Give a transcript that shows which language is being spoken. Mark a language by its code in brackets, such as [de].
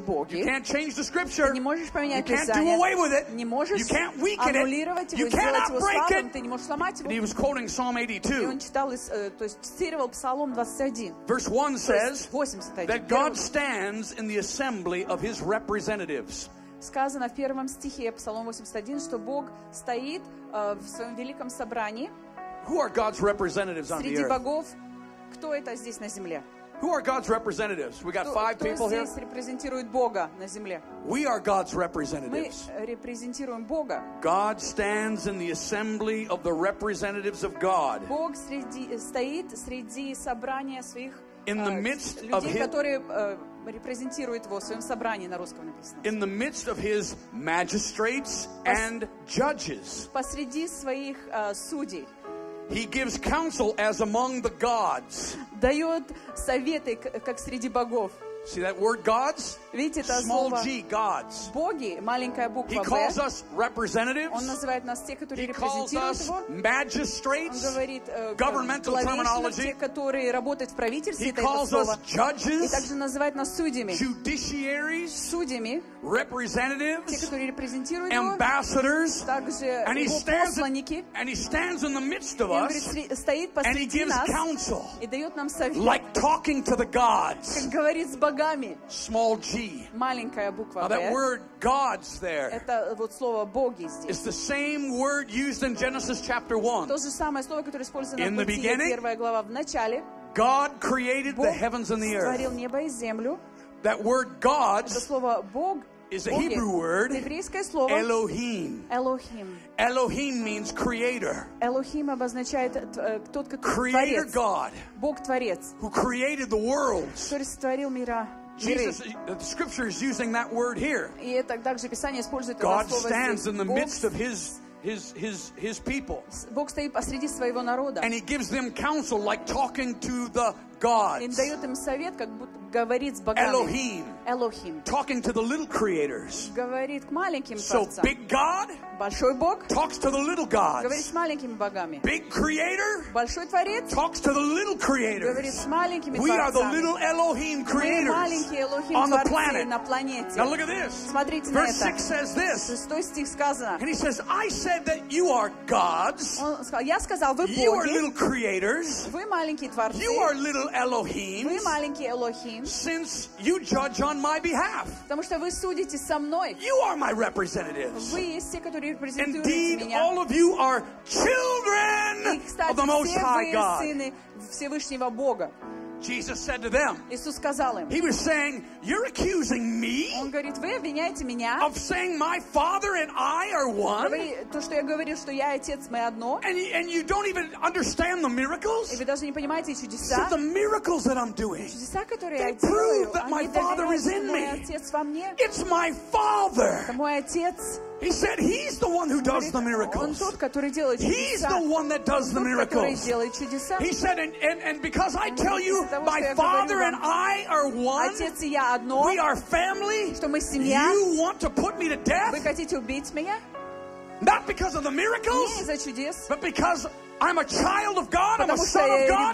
[en] You can't change the scripture. You can't do away with it. You can't weaken it. You cannot break it." And he was quoting Psalm 82. Verse 1 says that God stands in the assembly of his representatives. [ru] Сказано в первом стихе Псалом 81, что Бог стоит в своем великом собрании. [en] Who are God's representatives on the earth? [ru] Среди богов, кто это здесь на земле? [en] Who are God's representatives? We got five people here. [ru] Кто здесь репрезентирует Бога на земле? [en] We are God's representatives. [ru] Мы репрезентируем Бога. [en] God stands in the assembly of the representatives of God. [ru] Бог стоит среди собрания своих репрезентирует его в своем собрании на русском написано. [en] In the midst of his magistrates and judges. [ru] Посреди своих судей. [en] He gives counsel as among the gods. [ru] Дает советы как среди богов. [en] See that word gods? [ru] Видите это [en] small g gods. [ru] Боги, маленькая буква. [en] He calls us representatives. [ru] Он называет нас те, которые репрезентируют его. [en] He calls us magistrates. [ru] Он говорит [en] governmental terminology. [ru] Те, которые работают в правительстве. [en] He calls us judges. [ru] И также называет нас судьями. [en] Judiciaries. [ru] Судьями. [en] Representatives. [ru] Те, которые репрезентируют его. [en] Ambassadors. [ru] Также его посланники. [en] And he stands in the midst of us. [ru] Стоит посреди нас. [en] And he gives counsel. [ru] И дает нам совет. [en] Like talking to the gods. [ru] Как говорит богами. [en] Small g. [ru] Маленькая буква. [en] Now that word gods there. [ru] Это вот слово боги здесь. [en] It's the same word used in Genesis chapter 1. [ru] То же самое слово, которое использовано в Бытие, первая глава, в начале. [en] God created the heavens and the earth. [ru] Бог сотворил небо и землю. [en] That word gods. [ru] Это слово бог. [en] Is a Hebrew word. [ru] Еврейское слово. [en] Elohim. [ru] Elohim. [en] Elohim means creator. [ru] Elohim обозначает тот, кто [en] Creator God. [ru] Бог творец. [en] Who created the worlds? [ru] Который сотворил мира. [en] Jesus, the scripture is using that word here. [ru] И это также Писание использует это [en] God stands in the midst of his people. [ru] Бог стоит посреди своего народа. [en] And he gives them counsel like talking to the gods. [ru] И дает им совет, как будто говорит с богами. [en] Elohim. [ru] Elohim. [en] Talking to the little creators. [ru] Говорит к маленьким [en] So творцам. Big God. [ru] Большой бог. [en] Talks to the little gods. [ru] Говорит с маленькими богами. [en] Big creator. [ru] Большой творец. [en] Talks to the little creators. [ru] Говорит с маленькими [en] We [ru] творцами. [en] We are the little Elohim creators. [ru] Мы маленькие Elohim [en] on the planet. [ru] На планете. [en] Now look at this. [ru] Смотрите [en] Verse [ru] на это. [en] 6 says this. [ru] Шестой стих сказано. [en] And he says, I said that you are gods. [ru] Он сказал, я сказал, вы боги. [en] You are little creators. [ru] Вы маленькие творцы. [en] You are little Elohim. [ru] Вы маленькие Elohim. [en] Since you judge on my behalf. [ru] Потому что вы судите со мной. [en] You are my representatives. [ru] Вы есть те, которые репрезентуете меня. [en] Indeed, all of you are children of the Most High God. [ru] Все вы сыны Всевышнего Бога. [en] Jesus said to them. [ru] Иисус сказал им. [en] He was saying, "You're accusing me." [ru] Он говорит, вы обвиняете меня. [en] Of saying my Father and I are one. [ru] То, что я говорю, что я отец, мы одно. [en] And you don't even understand the miracles. [ru] И вы даже не понимаете чудеса. [en] The miracles that I'm doing. [ru] Чудеса, которые я делаю. [en] They prove that my Father is in me. [ru] Отец во мне. [en] It's my Father. [ru] Это мой отец. [en] He said he's the one who does the miracles. [ru] Он тот, который делает чудеса. [en] He's the one that does the miracles. [ru] Он тот, который делает чудеса. [en] He said and because I tell you my Father and I are one. [ru] Отец и я одно. [en] We are family. [ru] Что мы семья. [en] You want to put me to death? [ru] Вы хотите убить меня? [en] Not because of the miracles. [ru] Не из-за чудес. [en] But because I'm a child of God. I'm a son of God.